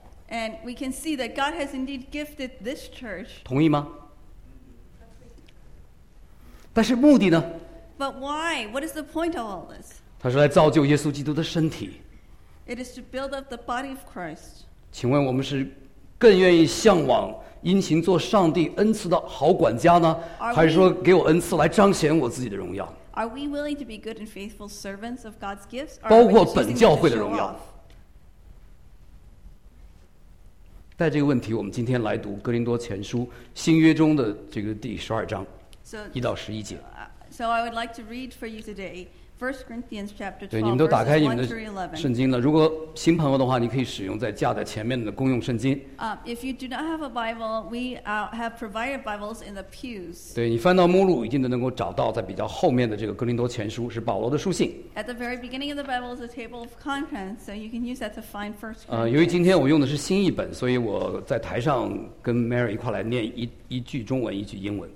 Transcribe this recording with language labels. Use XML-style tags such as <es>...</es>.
<en>And we can see that God has indeed gifted this church.</en> <zh>同意吗？但是目的呢？</zh> <en>But why? What is the point of all this?</en> <zh>它是来造就耶稣基督的身体。</zh> <en>It is to build up the body of Christ.</en> <zh>请问我们是更愿意向往殷勤做上帝恩赐的好管家呢？还是说给我恩赐来彰显我自己的荣耀？</zh> <en>Are we willing to be good and faithful servants of God's gifts?</en> <zh>包括本教会的荣耀。带这个问题，我们今天来读《哥林多前书》新约中的这个第十二章，一到十一节。</zh> <en>So I would like to read for you today, 1 Corinthians chapter 12.</en> <zh>对，你们都打开你们的圣经了。如果新朋友的话，你可以使用在架在前面的公用圣经。</zh> <en>If you do not have a Bible, we have provided Bibles in the pews.</en> <zh>对，你翻到目录，一定都能够找到在比较后面的这个哥林多前书是保罗的书信。</zh> <en>At the very beginning of the Bible is a table of contents, so you can use that to find 1 Corinthians.</en> <zh>由于今天我用的是新译本，所以我在台上跟 Mary 一块来念一句中文，一句英文。</zh>